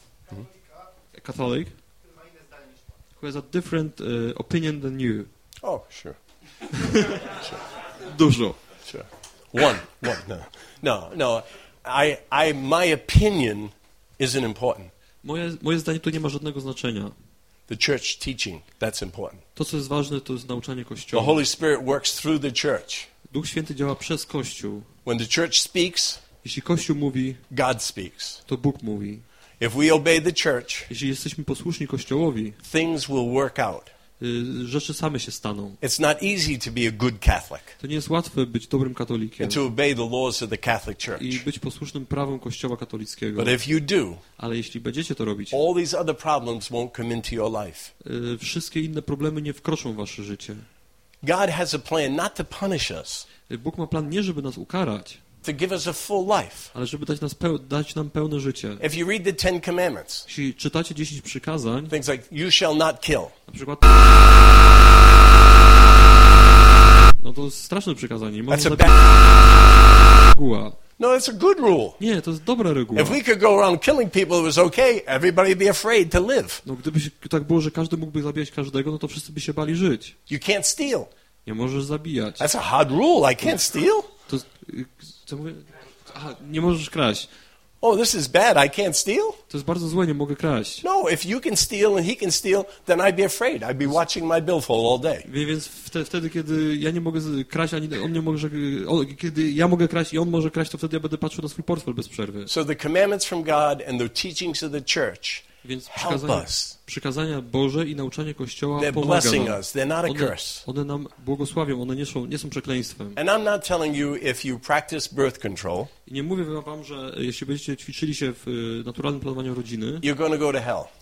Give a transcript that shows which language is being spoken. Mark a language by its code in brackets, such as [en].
[en] Mm-hmm. A Catholic? Who has a different opinion than you? Oh, sure. [pl] Dużo. [en] Sure. One. No. I my opinion isn't important. [pl] Moje zdanie tu nie ma żadnego znaczenia. [en] The church teaching, that's important. [pl] To, co jest ważne, to jest nauczanie Kościoła. [en] The Holy Spirit works through the church. [pl] Duch Święty działa przez Kościół. [en] When the church speaks, [pl] jeśli Kościół mówi, [en] God speaks. [pl] To Bóg mówi. [en] If we obey the church, [pl] jeśli jesteśmy posłuszni Kościołowi, [en] things will work out. [pl] Rzeczy same się staną. [en] It's not easy to be a good Catholic. [pl] To nie jest łatwe być dobrym katolikiem. [en] And to obey the laws of the Catholic Church. [pl] I być posłusznym prawom Kościoła katolickiego. [en] But if you do, [pl] ale jeśli będziecie to robić, [en] all these other problems won't come into your life. [pl] Wszystkie inne problemy nie wkroczą w wasze życie. [en] God has a plan not to punish us. [pl] Bóg ma plan nie, żeby nas ukarać, [en] to give us a full life. [pl] Ale żeby dać nam pełne życie. [en] If you read the Ten Commandments, [pl] jeśli czytacie 10 przykazań, [en] things like you shall not kill. [pl] Na przykład, no to jest straszne przykazanie. [en] That's a bad [pl] reguła. [en] No, it's a good rule. [pl] Nie, to jest dobra reguła. [en] If we could go around killing people, it was okay. Everybody would be afraid to live. [pl] No, gdyby tak było, że każdy mógłby zabijać każdego, no to wszyscy by się bali żyć. [en] You can't steal. [pl] Nie możesz zabijać. [en] That's a hard rule. I can't steal. [pl] To mówię? Aha, nie możesz kraść. [en] Oh, this is bad. I can't steal? [pl] To jest bardzo złe, nie mogę kraść. [en] No, if you can steal and he can steal, then I'd be afraid. I'd be watching my billfold all day. [pl] Więc wtedy, kiedy ja nie mogę kraść, ani on nie może, kiedy ja mogę kraść i on może kraść, to wtedy ja będę patrzył na swój portfel bez przerwy. [en] So the commandments from God and the teachings of the church. [pl] Więc przykazania Boże i nauczanie Kościoła pomagają nam. [en] They're blessing us. [pl] One nam błogosławią, one nie są przekleństwem. [en] And I'm not telling you if you practice birth control, [pl] i nie mówię wam, że jeśli będziecie ćwiczyli się w naturalnym planowaniu rodziny, [en] you're gonna go to hell.